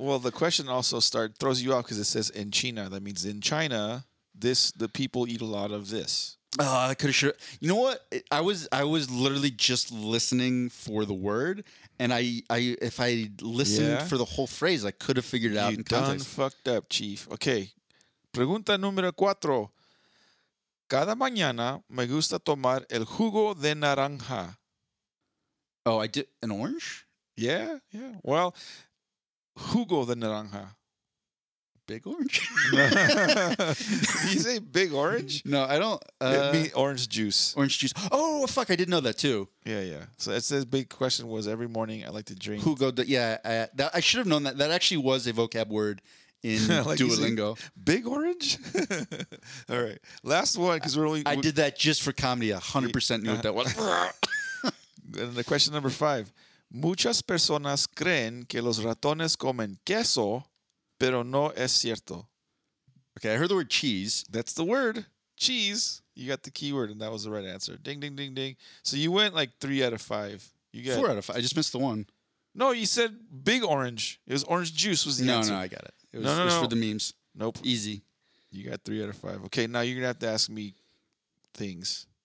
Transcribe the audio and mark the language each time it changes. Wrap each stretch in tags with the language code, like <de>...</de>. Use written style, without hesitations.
<en>Well, the question also throws you off because it says in China. That means in China, the people eat a lot of this. I could have sure. You know what? I was literally just listening for the word, and if I listened for the whole phrase, I could have figured it out. You done fucked up, chief. Okay.</en> <es>Pregunta número cuatro. Cada mañana me gusta tomar el jugo de naranja.</es> <en>Oh, I did an orange? Yeah, yeah. Well,</en> <es>jugo de naranja.</es> <en>Big Orange? Did you say Big Orange? No, I don't. Orange juice. Orange juice. Oh, fuck. I didn't know that, too. Yeah, yeah. So it says big question was every morning I like to drink. Who go? I should have known that. That actually was a vocab word in like Duolingo. Say, Big Orange? All right. Last one, because we're only. I did that just for comedy. 100% knew what that was. And the question number 5.</en> <es>Muchas personas creen que los ratones comen queso, pero no es cierto.</es> <en>Okay, I heard the word cheese. That's the word. Cheese. You got the keyword, and that was the right answer. Ding, ding, ding, ding. So you went like 3 out of 5. You got 4 out of 5. I just missed the one. No, you said Big Orange. It was orange juice was the answer. No, I got it. It was for the memes. Nope. Easy. You got 3 out of 5. Okay, now you're going to have to ask me things.</en>